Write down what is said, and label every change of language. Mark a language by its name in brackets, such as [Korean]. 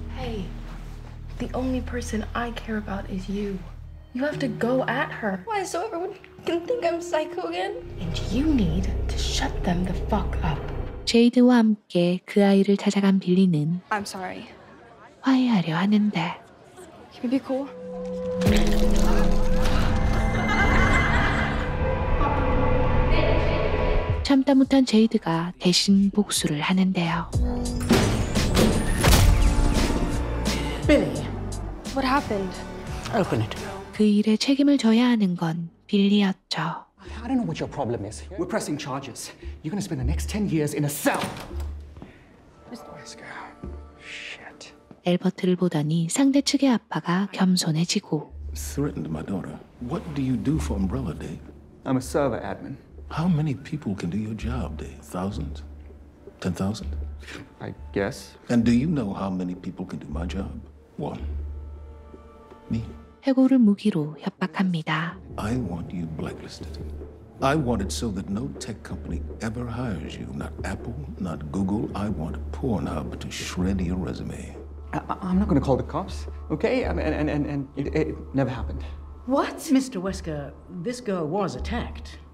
[English] Hey, the only person I care about is you. You have to go at her. Why, so everyone can think I'm psycho again? And you need to shut them the fuck up. [Korean] 제이드와 함께 그 아이를 찾아간 빌리는 [English] I'm sorry. [Korean] 화해하려 하는데 [English] Can we be cool? [Korean] 참다 못한 제이드가 대신 복수를 하는데요. [English] Billy, what happened? Open it. [Korean] 그 일에 책임을 져야 하는 건 빌리였죠. [English] I don't know what your problem is. We're pressing charges. You're going to spend the next 10 years in a cell. Let's go. Shit. [Korean] 엘버트를 보더니 상대 측의 아빠가 겸손해지고. [English] Threatened my daughter. What do you do for Umbrella Day? I'm a server admin. How many people can do your job, Dave? Thousands? 10,000? I guess. And do you know how many people can do my job? One. Me. [Korean] 해고를 무기로 협박합니다. [English] I want you blacklisted. I want it so that no tech company ever hires you. Not Apple, not Google. I want Pornhub to shred your resume. I'm not going to call the cops, okay? And it never happened. What? Mr. Wesker, this girl was attacked.